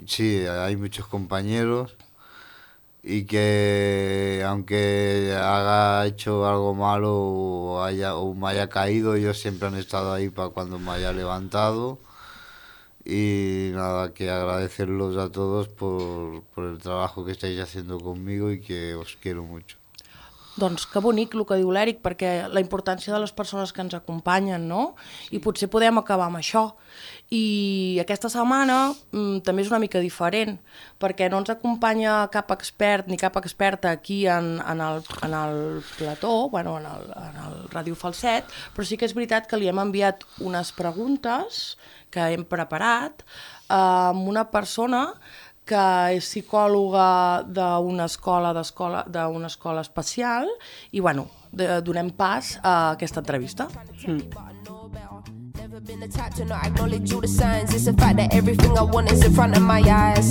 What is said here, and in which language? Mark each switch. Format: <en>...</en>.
<es>Sí, hay muchos compañeros. Y que aunque haya hecho algo malo o me haya caído, ellos siempre han estado ahí para cuando me haya levantado. Y nada, que agradecerlos a todos por el trabajo que estáis haciendo conmigo y que os quiero mucho.</es> <ca>Doncs que bonic el que diu l'Eric, perquè la importància de les persones que ens acompanyen, no? I potser podem acabar amb això. I aquesta setmana també és una mica diferent, perquè no ens acompanya cap expert ni cap experta aquí en el plató, bueno, en el Ràdio Falset, però sí que és veritat que li hem enviat unes preguntes que hem preparat amb una persona que és psicòloga d'una escola especial i bueno, donem pas a aquesta entrevista.</ca> <en>Never been attached to not acknowledge all the signs. It's the fact that everything I want is in front of my eyes.</en>